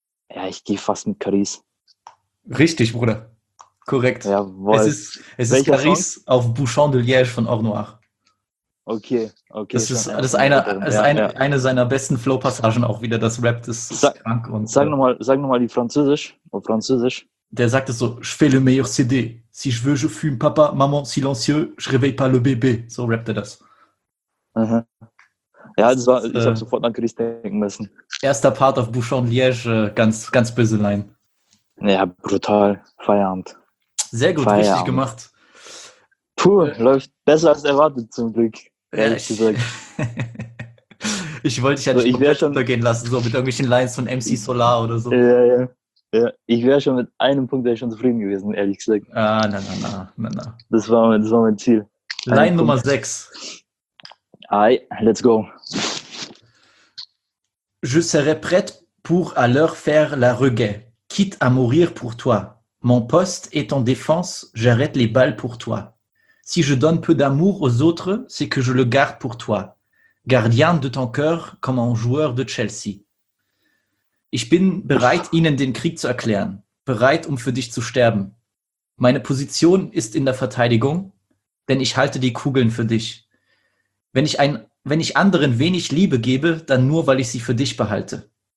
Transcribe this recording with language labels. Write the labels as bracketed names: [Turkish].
[German] Ja, ich gehe fast mit Karis. Richtig, Bruder. Korrekt. Jawohl. Es ist Karis auf Bouchon de Liège von Or Noir. Okay. Das ist eine seiner besten Flow-Passagen auch wieder. Das Rap ist krank. Und sag nochmal die Französisch. Auf Französisch. Der sagt es so, [French] je fais le meilleur CD. Si je veux, je fume Papa, Maman, silencieux, je réveille pas le bébé. [German] So rappt er das. Aha. Ja, ich habe sofort an Chris denken müssen. Erster Part auf Bouchon Liège, ganz, ganz böse Line. Ja, brutal. Feierabend. Sehr gut, Feierabend. Richtig gemacht. Puh, läuft besser als erwartet zum Glück. Ehrlich gesagt. Ich wollte dich ja nicht mal runtergehen lassen, so mit irgendwelchen Lines von MC Solar oder so. Ja. Ja, ich wäre schon mit einem Punkt wäre ich schon zufrieden gewesen, ehrlich gesagt. Ah, na. Das war mein Ziel. Line Nummer 6. [English] Aye, let's go. [French] Je serai prête pour à l'heure faire la reggae, quitte à mourir pour toi. Mon poste est en défense, j'arrête les balles pour toi. Si je donne peu d'amour aux autres, c'est que je le garde pour toi. Gardien de ton cœur comme un joueur de Chelsea. [German] Ich bin bereit, ihnen den Krieg zu erklären. Bereit, um für dich zu sterben. Meine Position ist in der Verteidigung, denn ich halte die Kugeln für dich. Wenn ich anderen wenig Liebe gebe, dann nur, weil ich sie für dich behalte.